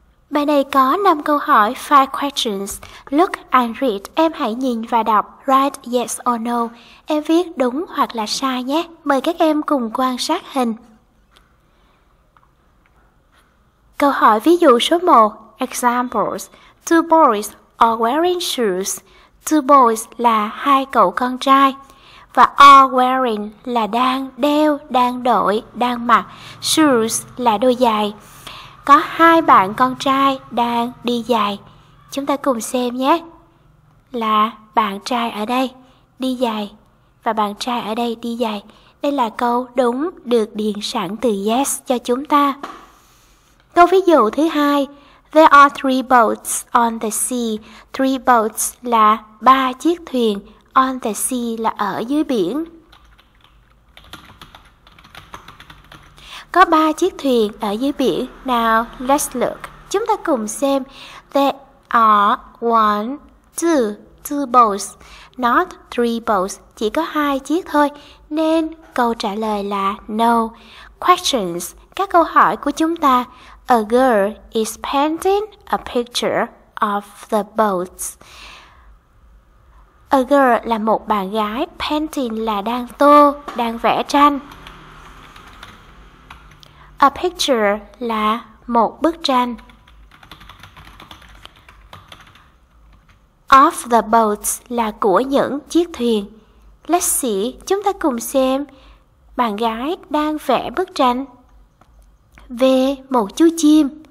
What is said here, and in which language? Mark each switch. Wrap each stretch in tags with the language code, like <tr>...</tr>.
<vi>Bài này có 5 câu hỏi, 5 questions.</vi> <en>Look and read,</en> <vi>em hãy nhìn và đọc,</vi> <en>write yes or no.</en> <vi>Em viết đúng hoặc là sai nhé. Mời các em cùng quan sát hình. Câu hỏi ví dụ số 1, examples.</vi> <en>Two boys are wearing shoes.</en> <vi>Two boys là hai cậu con trai. Và are wearing là đang đeo, đang đội, đang mặc. Shoes là đôi giày. Có hai bạn con trai đang đi giày. Chúng ta cùng xem nhé. Là bạn trai ở đây đi giày. Và bạn trai ở đây đi giày. Đây là câu đúng được điền sẵn từ yes cho chúng ta. Câu ví dụ thứ hai.</vi> <en>There are three boats on the sea.</en> <vi>Three boats là ba chiếc thuyền. On the sea là ở dưới biển. Có ba chiếc thuyền ở dưới biển.</vi> <en>Now, let's look.</en> <vi>Chúng ta cùng xem.</vi> <en>There are one, two boats, not three boats.</en> <vi>Chỉ có hai chiếc thôi. Nên câu trả lời là no. Questions. Các câu hỏi của chúng ta.</vi> <en>A girl is painting a picture of the boats.</en> <vi>A girl là một bạn gái, painting là đang tô, đang vẽ tranh. A picture là một bức tranh. Of the boats là của những chiếc thuyền.</vi> <en>Let's see,</en> <vi>chúng ta cùng xem bạn gái đang vẽ bức tranh về một chú chim.</vi>